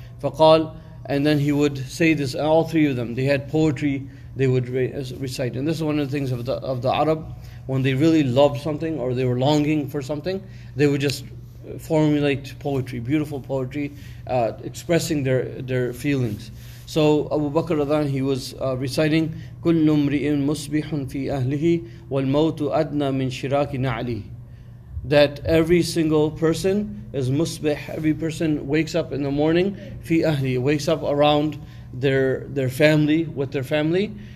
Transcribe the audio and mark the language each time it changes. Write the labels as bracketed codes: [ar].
[ar] فَقَال, [en] and then he would say this, all three of them, they had poetry they would recite. And this is one of the things of the Arab, when they really loved something or they were longing for something, they would just formulate poetry, beautiful poetry, expressing their feelings. So Abu Bakr radhan, he was reciting, [ar] كُلُّ مْرِئٍ مُصْبِحٌ فِي أَهْلِهِ وَالْمَوْتُ أَدْنَى مِنْ شِرَاكِ نَعْلِهِ. [en] That every single person is musbih, every person wakes up in the morning, [ar] fi ahli, [en] wakes up around their family, with their family.